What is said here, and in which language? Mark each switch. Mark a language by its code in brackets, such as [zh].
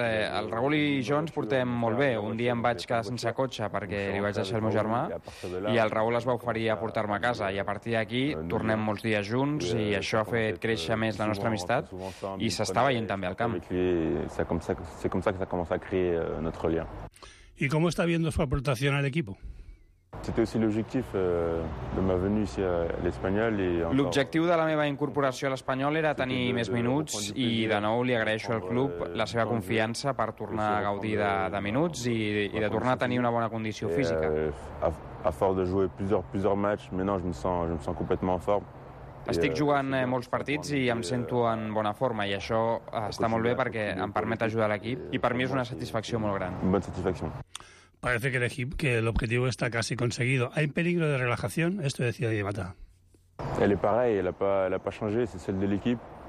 [ca] El Raúl i jo ens portem molt bé. Un dia em vaig quedar sense cotxe perquè li vaig deixar el meu germà i el Raúl es va oferir a portar-me a casa. I a partir d'aquí tornem molts dies junts i això ha fet créixer més la nostra amistat i s'està veient també al camp. [fr] C'est comme ça que ça commence à créer notre lien. [es] ¿Y cómo está viendo su aportación al equipo? [fr] C'était aussi l'objectif de ma venue ici à l'Espagnol. [ca] L'objectiu de la meva incorporació a l'Espanyol era tenir més minuts i, de nou, li agraeixo al club la seva confiança per tornar a gaudir de minuts i de tornar a tenir una bona condició física. [fr] À force de jouer plusieurs matchs, maintenant je me sens complètement en forme. [ca] Estic jugant molts partits i em sento en bona forma i això està molt bé perquè em permet ajudar l'equip i per mi és una satisfacció molt gran. Una bona satisfacció. [es] Parece que el objetivo está casi conseguido. ¿Hay peligro de relajación? Esto decía Di Matta. [fr] Elle est pareil, elle a pas changé, c'est celle de l'équipe.